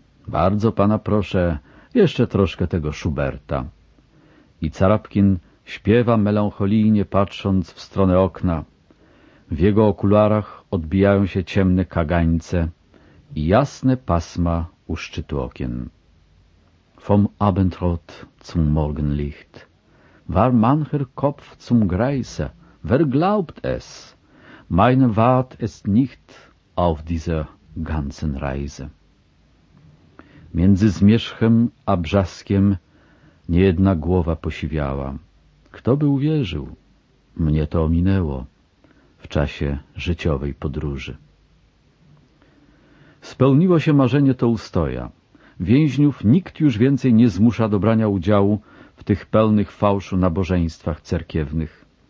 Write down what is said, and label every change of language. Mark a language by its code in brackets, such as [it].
[pl] Bardzo pana proszę, jeszcze troszkę tego Schuberta. I Carapkin śpiewa melancholijnie, patrząc w stronę okna. W jego okularach odbijają się ciemne kagańce i jasne pasma u szczytu okien. [de] Vom Abendrot zum Morgenlicht. War mancher Kopf zum Greise. Wer glaubt es? Meine Wart ist nicht auf dieser ganzen Reise. [pl] Między zmierzchem a brzaskiem niejedna głowa posiwiała. Kto by uwierzył? Mnie to ominęło w czasie życiowej podróży. Spełniło się marzenie Tolstoja. Więźniów nikt już więcej nie zmusza do brania udziału w tych pełnych fałszu nabożeństwach cerkiewnych.